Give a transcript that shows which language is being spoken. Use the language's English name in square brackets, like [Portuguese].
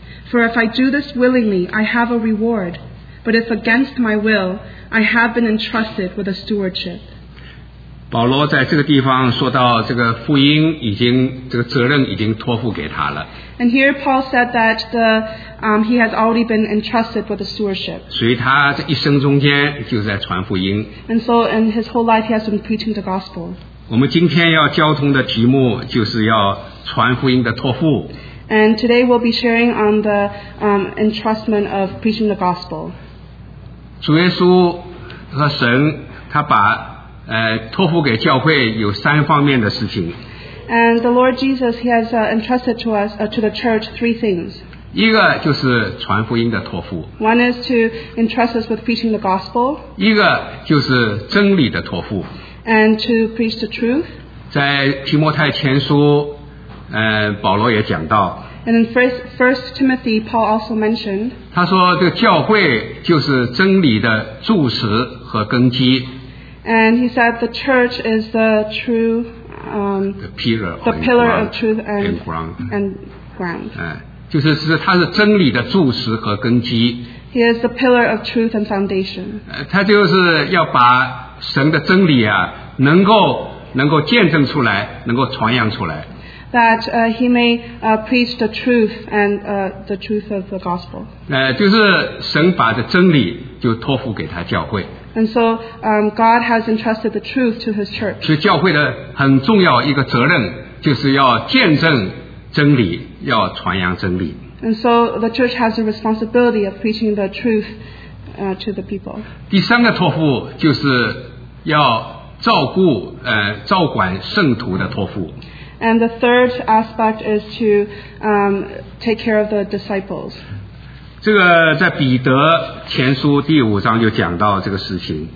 [English] For if I do this willingly, I have a reward. But if against my will, I have been entrusted with a stewardship. [Chinese] 保罗在这个地方说到这个福音已经这个责任已经托付给他了。 [English] And here Paul said that he has already been entrusted with a stewardship. [Chinese] 所以他这一生中间就在传福音。 [English] And so in his whole life he has been preaching the gospel. [Chinese] 我们今天要交通的题目就是要传福音的托付。 [English] And today we'll be sharing on the entrustment of preaching the gospel. [Chinese] 主耶稣和神他把托付给教会有三方面的事情。 [English] And the Lord Jesus, he has entrusted to us, to the church, three things. [Chinese] 一个就是传福音的托付。 [English] One is to entrust us with preaching the gospel. [Chinese] 一个就是真理的托付。 [English] And to preach the truth. [Chinese] 在提摩太前书，保罗也讲到。 [English] And in First Timothy, Paul also mentioned. [Chinese] 他说，这个教会就是真理的柱石和根基。 [English] And he said the church is the true, the pillar of truth and ground. [Chinese] 就是它是真理的柱石和根基。 [English] He is the pillar of truth and foundation. [Chinese] 他就是要把。神的真理啊，能够见证出来，能够传扬出来。 [English] That he may preach the truth and the truth of the gospel. [Chinese] 就是神把这真理就托付给他教会。 [English] And so God has entrusted the truth to his church. [Chinese] 所以教会的很重要一个责任就是要见证真理，要传扬真理。 [English] And so the church has the responsibility of preaching the truth. To the people. [Chinese] 第三个托付就是要照顾照管圣徒的托付。 [English] And the third aspect is to take care of the disciples. [Chinese] 这个在彼得前书第五章就讲到这个事情。